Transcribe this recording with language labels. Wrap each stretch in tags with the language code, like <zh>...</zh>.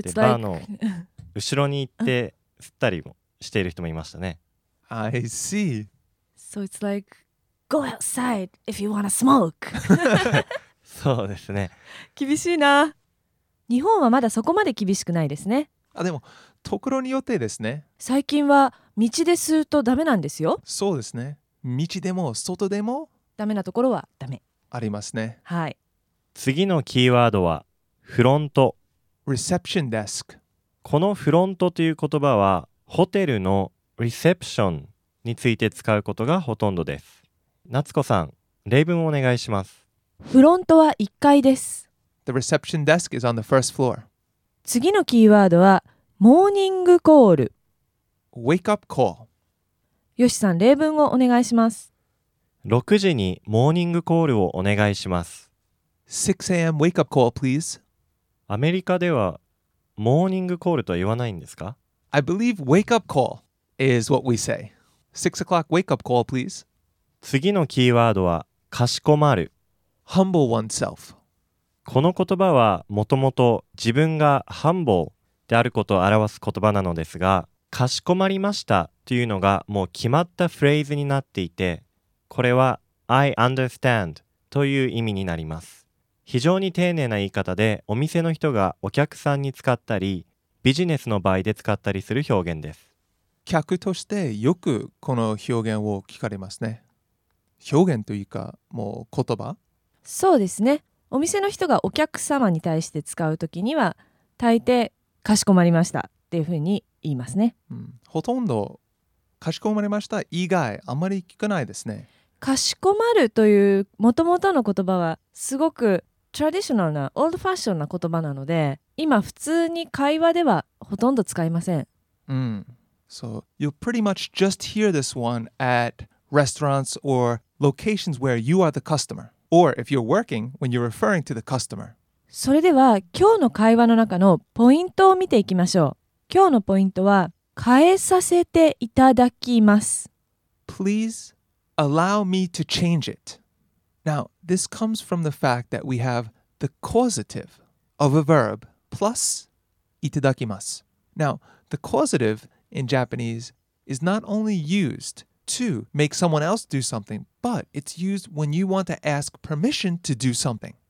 <ja>でバーの後ろに行って吸ったりもしている人もいましたね。</ja> <en>I see. So it's like go outside if you wanna smoke.</en> <ja>そうですね。厳しいな。日本はまだそこまで厳しくないですね。あ、でもところによってですね、最近は道で吸うとダメなんですよ。そうですね、道でも外でもダメなところはダメありますね。はい。次のキーワードはフロント、</ja> <en>reception desk。</en> <ja>このフロントという言葉はホテルのリセプションについて使うことがほとんどです。夏子さん、例文をお願いします。フロントは1階です。</ja> <en>The reception desk is on the first floor.</en> <ja>次のキーワードはモーニングコール、</ja> <en>Wake up call。</en> <ja>よしさん、例文をお願いします。 6時にモーニングコールをお願いします。</ja> <en>6am wake up call please。</en> <ja>アメリカではモーニングコールとは言わないんですか？</ja> <en>I believe wake up call is what we say. 6 o'clock wake up call please.</en> <ja>次のキーワードはかしこまる、</ja> <en>humble oneself。</en> <ja>この言葉はもともと自分が humble であることを表す言葉なのですが、かしこまりましたというのがもう決まったフレーズになっていて、これは</ja> <en>I understand</en> <ja>という意味になります。非常に丁寧な言い方で、お店の人がお客さんに使ったりビジネスの場合で使ったりする表現です。客としてよくこの表現を聞かれますね。表現というか、もう言葉？そうですね。お店の人がお客様に対して使うときには、大抵かしこまりましたっていうふうに言いますね。ほとんどかしこまりました以外、あまり聞かないですね。かしこまるという元々の言葉は、すごくトラディショナルな、オールドファッションな言葉なので、今普通に会話ではほとんど使いません。</ja> <en>So you'll pretty much just hear this one at restaurants or locations where you are the customer, or if you're working when you're referring to the customer.</en> <ja>それでは今日の会話の中のポイントを見ていきましょう。今日のポイントは変えさせていただきます。</ja> <en>Please allow me to change it. Now this comes from the fact that we have the causative of a verb. Plus,</en> <ja>いただきます。</ja> <en>Now, the causative in Japanese is not only used to make someone else do something, but it's used when you want to ask permission to do something.</en>